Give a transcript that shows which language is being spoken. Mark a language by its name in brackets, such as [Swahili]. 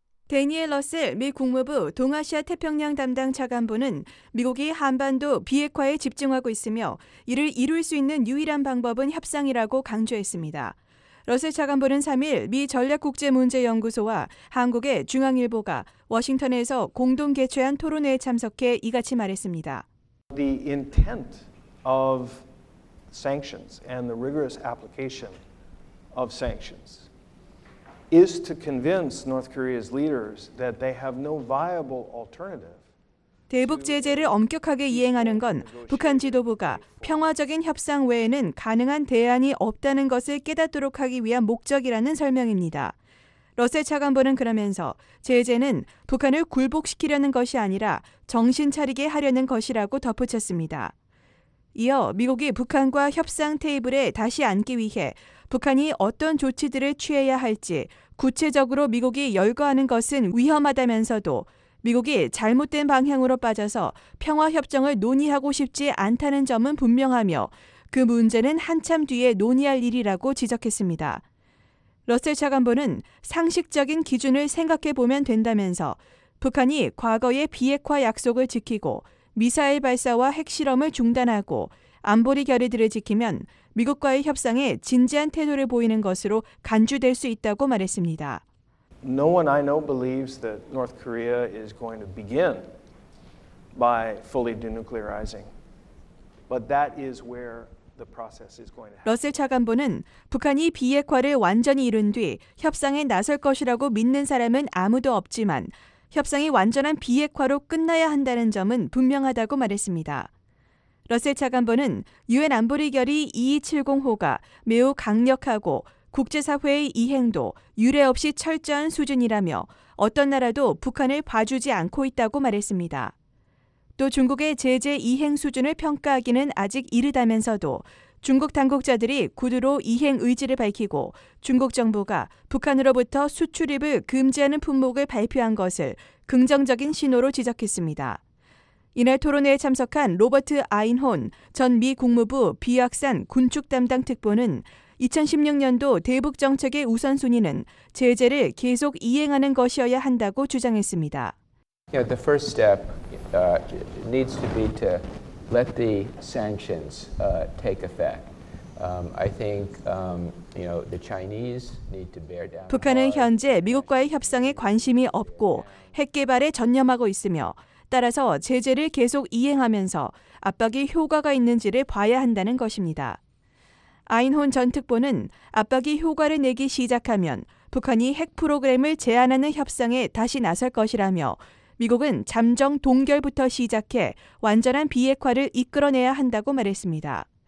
[Korean] 대니얼 러셀 미 국무부 동아시아 태평양 담당 차관보는 미국이 한반도 비핵화에 집중하고 있으며 이를 이룰 수 있는 유일한 방법은 협상이라고 강조했습니다. 러셀 차관보는 3일 미 전략국제문제연구소와 한국의 중앙일보가 워싱턴에서 공동 개최한 토론회에 참석해 이같이 말했습니다. [English] The intent of sanctions and the rigorous application of sanctions is to convince North Korea's leaders that they have no viable alternative. [Korean] 대북 제재를 엄격하게 이행하는 건 북한 지도부가 평화적인 협상 외에는 가능한 대안이 없다는 것을 깨닫도록 하기 위한 목적이라는 설명입니다. 러셀 차관보는 그러면서 제재는 북한을 굴복시키려는 것이 아니라 정신 차리게 하려는 것이라고 덧붙였습니다. 이어 미국이 북한과 협상 테이블에 다시 앉기 위해 북한이 어떤 조치들을 취해야 할지 구체적으로 미국이 열거하는 것은 위험하다면서도 미국이 잘못된 방향으로 빠져서 평화협정을 논의하고 싶지 않다는 점은 분명하며 그 문제는 한참 뒤에 논의할 일이라고 지적했습니다. 러셀 차관보는 상식적인 기준을 생각해 보면 된다면서 북한이 과거의 비핵화 약속을 지키고 미사일 발사와 핵실험을 중단하고 안보리 결의들을 지키면 미국과의 협상에 진지한 태도를 보이는 것으로 간주될 수 있다고 말했습니다. [English] No one I know believes that North Korea is going to begin by fully denuclearizing. But that is where the process is going to happen. [Korean] 러셀 차관보는 북한이 비핵화를 완전히 이룬 뒤 협상에 나설 것이라고 믿는 사람은 아무도 없지만 협상이 완전한 비핵화로 끝나야 한다는 점은 분명하다고 말했습니다. 러셀 차관보는 유엔 안보리 결의 2270호가 매우 강력하고 국제사회의 이행도 유례 없이 철저한 수준이라며 어떤 나라도 북한을 봐주지 않고 있다고 말했습니다. 또 중국의 제재 이행 수준을 평가하기는 아직 이르다면서도 중국 당국자들이 구두로 이행 의지를 밝히고 중국 정부가 북한으로부터 수출입을 금지하는 품목을 발표한 것을 긍정적인 신호로 지적했습니다. 이날 토론회에 참석한 로버트 아인혼 전 미 국무부 비확산 군축 담당 특보는 2016년도 대북 정책의 우선순위는 제재를 계속 이행하는 것이어야 한다고 주장했습니다. [English] Yeah, the first step needs to be to let the sanctions take effect. I think you know the Chinese need to bear down. [Korean] 북한은 현재 미국과의 협상에 관심이 없고 핵 개발에 전념하고 있으며 따라서 제재를 계속 이행하면서 압박이 효과가 있는지를 봐야 한다는 것입니다. 아인혼 전 특보는 압박이 효과를 내기 시작하면 북한이 핵 프로그램을 제한하는 협상에 다시 나설 것이라며 미국은 잠정 동결부터 시작해 완전한 비핵화를 이끌어내야 한다고 말했습니다.